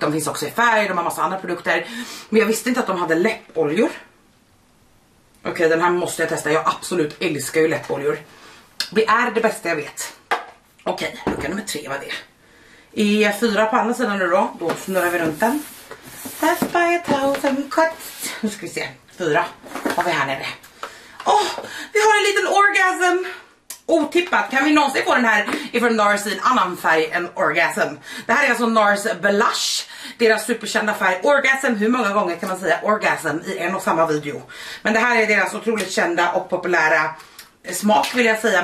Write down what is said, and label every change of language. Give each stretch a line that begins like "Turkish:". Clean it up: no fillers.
Swedish: De finns också i färg, de har massa andra produkter. Men jag visste inte att de hade läppoljor. Okej, den här måste jag testa, jag absolut älskar ju läppoljor. Det är det bästa jag vet. Okej, lucka nummer 3 var det. I 4 på andra sidan nu då, då snurrar vi runt den.
English: That's by a thousand cuts.
Swedish: Nu ska vi se, 4 har vi här nere. Åh, vi har en liten orgasm. Otippat, kan vi någonsin få den här ifrån NARS i en annan färg än Orgasm? Det här är alltså NARS Blush, deras superkända färg Orgasm. Hur många gånger kan man säga Orgasm i en och samma video? Men det här är deras otroligt kända och populära smak, vill jag säga.